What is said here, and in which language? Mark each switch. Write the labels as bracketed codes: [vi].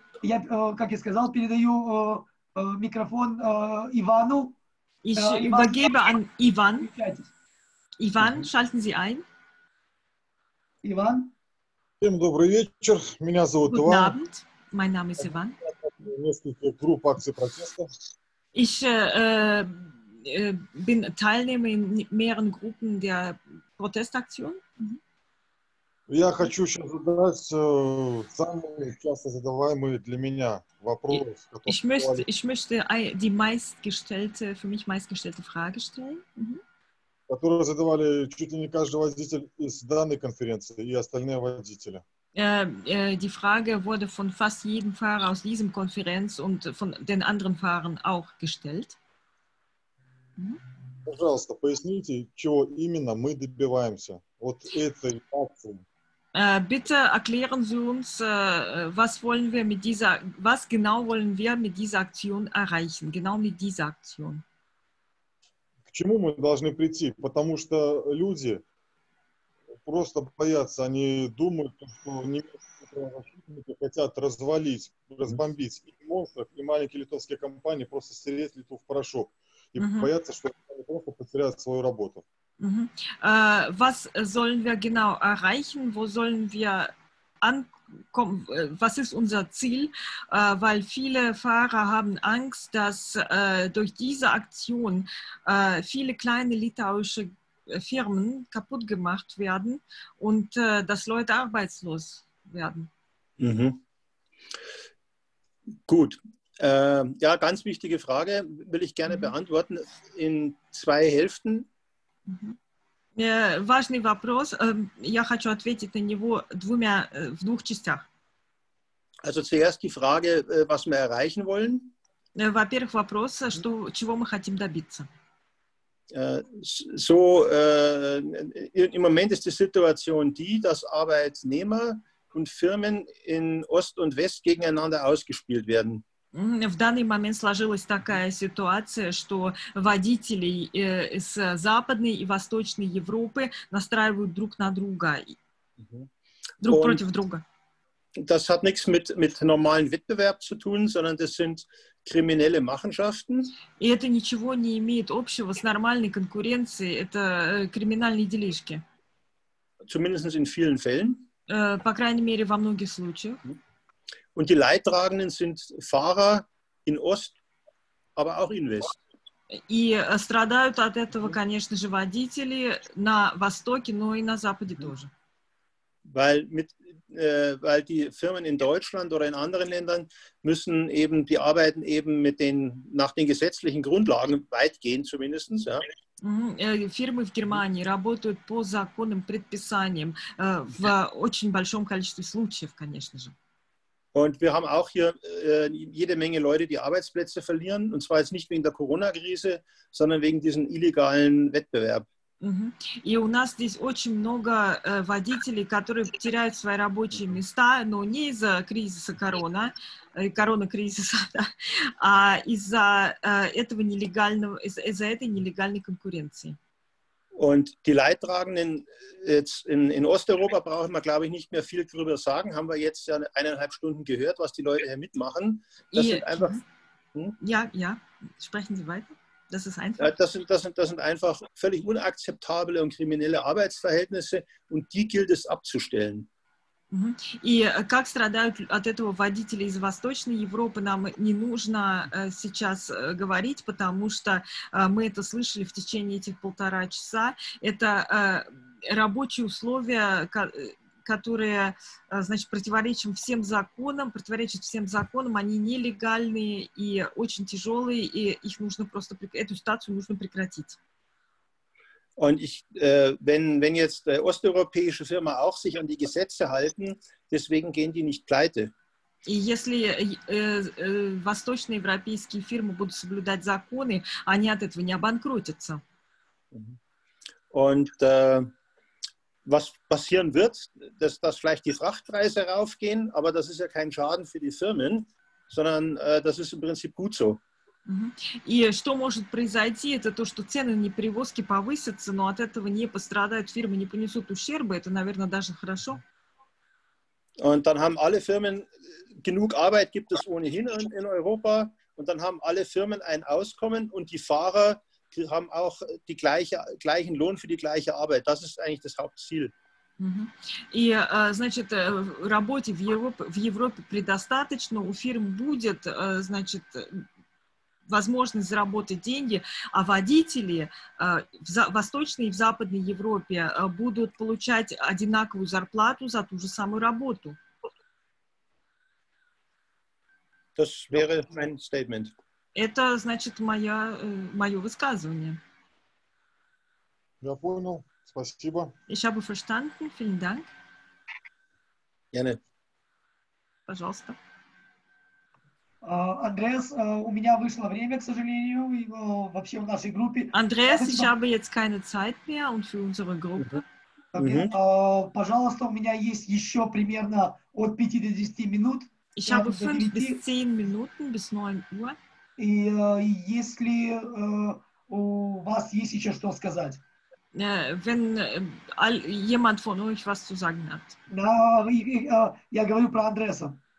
[ru] Я, как я сказал, передаю микрофон Ивану. [de] Ich übergebe an Ivan. Ivan, schalten Sie ein. Ivan. [ru] Всем добрый вечер. Меня зовут [de] Иван. Guten Abend. Mein Name ist Ivan. [ru] Несколько групп акций протеста. [de] Ich bin Teilnehmer in mehreren Gruppen der Protestaktion. [ru] Я хочу сейчас задать самый часто задаваемый для меня вопрос. [de] Ich möchte die meistgestellte, für mich meistgestellte Frage stellen. [ru] Которую задавали чуть ли не каждый водитель из данной конференции и остальные водители. [de] Die Frage wurde von fast jedem Fahrer aus diesem Konferenz und von den anderen Fahrern auch gestellt. [ru] Пожалуйста, поясните, чего именно мы добиваемся от этой акции. [de] Bitte erklären Sie uns, was genau wollen wir mit dieser Aktion erreichen, genau mit dieser Aktion. [ru] К чему мы должны прийти? Потому что люди просто боятся, они думают, что немецкие защитники хотят развалить, разбомбить и монстров, и маленькие литовские компании просто стереть Литву в порошок. И боятся, что они просто потеряют свою работу. [de] Was sollen wir genau erreichen? Wo sollen wir ankommen? Was ist unser Ziel? Weil viele Fahrer haben Angst, dass durch diese Aktion viele kleine litauische Firmen kaputt gemacht werden und dass Leute arbeitslos werden. Mhm. Gut. Ja, ganz wichtige Frage, will ich gerne beantworten in zwei Hälften. [ru] Важный вопрос. Я хочу ответить на него двумя, в двух частях. [de] Also zuerst die Frage, was wir erreichen wollen. [ru] Во-первых, вопрос, что, чего мы хотим добиться. [de] So, im Moment ist die Situation die, dass Arbeitnehmer und Firmen in Ost und West gegeneinander ausgespielt werden. [ru] В данный момент сложилась такая ситуация, что водители из Западной и Восточной Европы настраивают друг на друга, друг [de] und [ru] против друга. [de] Das hat nichts mit normalen Wettbewerb zu tun, sondern das sind kriminelle Machenschaften. [ru] И это ничего не имеет общего с нормальной конкуренцией, это криминальные делишки. [de] Zumindest in vielen Fällen. [ru] По крайней мере, во многих случаях. [de] Und die Leidtragenden sind Fahrer in Ost, aber auch in West. [ru] И страдают от этого, конечно же, водители на Востоке, но и на Западе тоже. [de] Weil die Firmen in Deutschland oder in anderen Ländern müssen eben, die arbeiten eben mit den, nach den gesetzlichen Grundlagen weitgehend zumindest, ja. [ru] Фирмы в Германии работают по законным предписаниям в очень большом количестве случаев, конечно же. [de] Und wir haben auch hier jede Menge Leute, die Arbeitsplätze verlieren. Und zwar jetzt nicht wegen der Corona-Krise, sondern wegen diesem illegalen Wettbewerb. [ru] И у нас здесь очень много водителей, которые теряют свои рабочие места, но не из-за кризиса корона, корона-кризиса, да, а из-за этого нелегального, из-за этой нелегальной конкуренции. [de] Und die Leidtragenden jetzt in Osteuropa brauchen wir, glaube ich, nicht mehr viel darüber sagen. Haben wir jetzt ja 1,5 Stunden gehört, was die Leute hier mitmachen. Das sind einfach. Ja, ja. Sprechen Sie weiter. Das ist einfach. Ja, das sind einfach völlig unakzeptable und kriminelle Arbeitsverhältnisse und die gilt es abzustellen. [ru] И как страдают от этого водители из Восточной Европы, нам не нужно сейчас говорить, потому что мы это слышали в течение этих полтора часа. Это рабочие условия, которые, значит, противоречат всем законам, они нелегальные и очень тяжелые, и их нужно просто, эту ситуацию нужно прекратить. [de] Und ich, wenn jetzt osteuropäische Firmen auch sich an die Gesetze halten, deswegen gehen die nicht pleite. [ru] Если восточноевропейские фирмы будут соблюдать законы, они от этого не обанкротятся. [de] Und was passieren wird, dass vielleicht die Frachtpreise raufgehen, aber das ist ja kein Schaden für die Firmen, sondern das ist im Prinzip gut so. [ru] И что может произойти, это то, что цены на перевозки повысятся, но от этого не пострадают фирмы, не понесут ущерба, это, наверное, даже хорошо. [de] Und dann haben alle Firmen, genug Arbeit gibt es ohnehin in Europa, und dann haben alle Firmen ein Auskommen und die Fahrer, die haben auch die gleichen Lohn für die gleiche Arbeit. Das ist eigentlich das Hauptziel. [ru] И, значит, работе в Европе предостаточно, у фирм будет, значит, возможность заработать деньги, а водители в Восточной и в Западной Европе будут получать одинаковую зарплату за ту же самую работу. [de] Das wäre mein Statement. [ru] Это, значит, мое высказывание. Я понял. Спасибо. [de] Ich habe verstanden. Vielen Dank. Gerne. [ru] Пожалуйста. Андреас, у меня вышло время, к сожалению, и вообще в нашей группе. [de] Андреас, [ru] я [de] habe jetzt keine Zeit mehr und für unsere Gruppe. [ru] Пожалуйста, у меня есть еще примерно от 5 до 10 минут. [de] Ich habe 5 bis 10 Minuten bis 9 Uhr. [ru] И если у вас есть еще что сказать. [de] Wenn jemand von euch was zu sagen hat. [ru] Да, я говорю про Андреаса.